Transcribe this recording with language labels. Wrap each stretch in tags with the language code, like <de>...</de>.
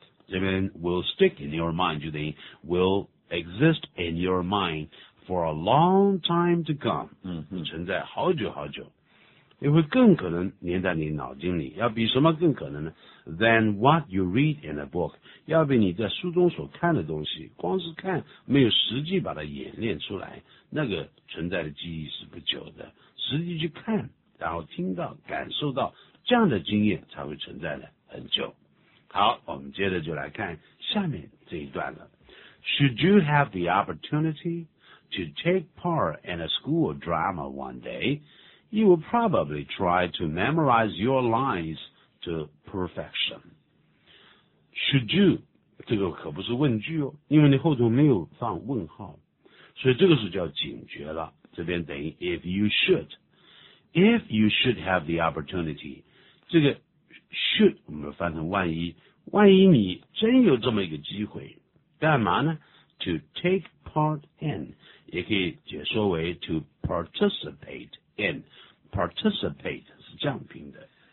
<zh>这边</zh> <en>will stick in your mind,</en> <zh>就等于</zh> <en>will exist in your mind for a long time to come.</en> <zh>嗯，存在好久好久。因为更可能粘在你脑筋里，要比什么更可能呢 ？</zh> <en>Than what you read in a book，</en> <zh>要比你在书中所看的东西，光是看没有实际把它演练出来，那个存在的记忆是不久的。实际去看，然后听到、感受到这样的经验，才会存在的很久。好，我们接着就来看下面这一段了。</zh> <en>Should you have the opportunity to take part in a school drama one day？ You will probably try to memorize your lines to perfection. Should you?</en> <zh>这个可不是问句哦，因为你后头没有放问号，所以这个是叫警觉了。这边等于</zh> <en>if you should. If you should have the opportunity,</en> <zh>这个 should 我们翻成万一你真有这么一个机会，干嘛呢？</zh> <en>To take part in,</en> <zh>也可以解说为</zh> <en>to participate. In.</en> <zh>Participate 是这样拼的</zh>